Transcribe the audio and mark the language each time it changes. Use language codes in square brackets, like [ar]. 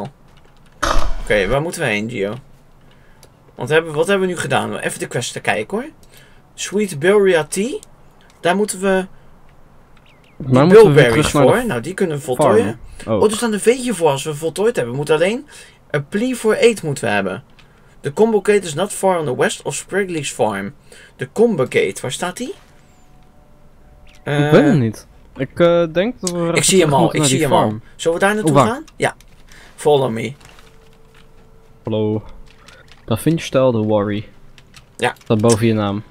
[nl] Oké, okay, waar moeten we heen, Gio? Wat hebben we nu gedaan? Even de quest te kijken, hoor. Sweet Bilria Tea. Daar moeten we... Maar die moeten [en] bilberries [nl] we weer voor. Nou, die kunnen we voltooien. Oh, er staat een veetje voor als we voltooid hebben. We moeten alleen... A plea for aid moeten we hebben. [en] The Combo Gate is not far on the west of Spriggly's farm. [nl] The Combo Gate, waar staat die? Ik weet het niet. Ik denk dat we... Ik zie hem al, ik zie hem al. Zullen we daar naartoe gaan? [en] Ja. Follow me. [nl] Hallo. Daar vind je stel de worry. Ja. Dat boven je naam.